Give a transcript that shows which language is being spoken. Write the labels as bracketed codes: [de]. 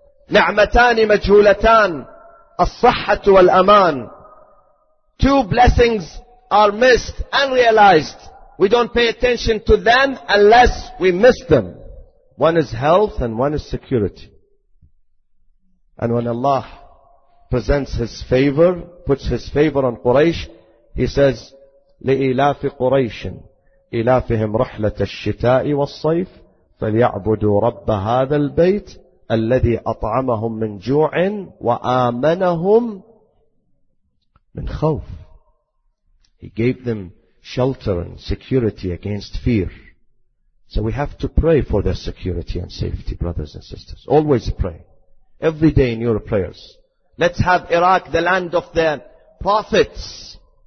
[ar] نَعْمَتَانِ مَجْهُولَتَانِ الصَّحَّةُ وَالْأَمَانِ. [en] Two blessings are missed, unrealized. We don't pay attention to them unless we miss them. One is health and one is security. And when Allah presents His favor, puts His favor on Quraysh, He says, [ar] لِإِلَافِ قُرَيْشٍ إِلَافِهِمْ رَحْلَةَ الشِّتَاءِ وَالصَّيْفِ فَلْيَعْبُدُوا رَبَّ هَذَا الْبَيْتِ الَّذِي أَطْعَمَهُمْ مِنْ جُوعٍ وَآمَنَهُمْ مِنْ خَوْفٍ. [en] He gave them shelter and security against fear. So we have to pray for their security and safety, brothers and sisters. Always pray. Every day in your prayers. Let's have Iraq the land of the prophets.